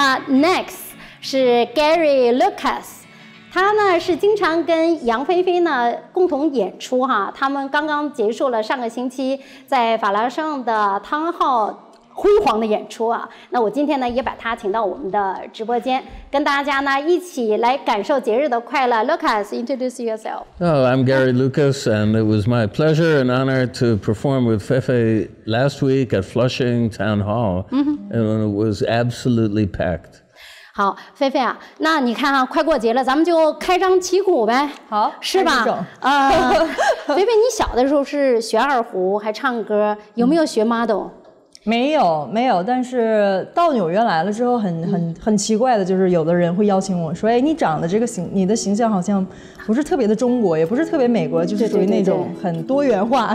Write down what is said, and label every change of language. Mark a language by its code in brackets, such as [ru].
[en] Next [zh] 是 Gary Lucas， 他呢是经常跟杨菲菲呢共同演出哈，他们刚刚结束了上个星期在法拉盛的汤浩辉煌的演出啊，那我今天呢也把他请到我们的直播间，跟大家呢一起来感受节日的快乐。 [en] Lucas, introduce yourself. Oh, I'm Gary Lucas, and it was my pleasure and honor to perform with Fefe last week at Flushing Town Hall,、mm-hmm. and it was absolutely packed. [zh] 好，菲菲啊，那你看啊，快过节了，咱们就开张旗鼓呗。好，是吧？菲菲，你小的时候是学二胡还唱歌，有没有学 model？没有，没有。但是到纽约来了之后很奇怪的就是，有的人会邀请我说，哎，你长的这个形，你的形象好像不是特别的中国，也不是特别美国，就是属于那种很多元化，